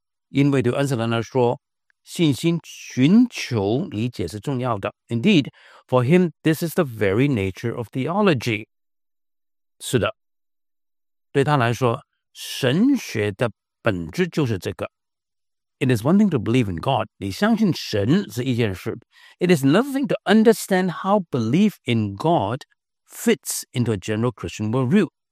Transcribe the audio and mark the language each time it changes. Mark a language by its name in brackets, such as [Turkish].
[Chinese] 因为对安瑟伦来说信心寻求理解是重要的。 [English] Indeed, for him, this is the very nature of theology. [Chinese] 是的，对他来说，神学的本质就是这个。 [English] It is one thing to believe in God. [Chinese] 你相信神是一件事。 [English] It is another thing to understand how belief in God fits into a general Christian worldview.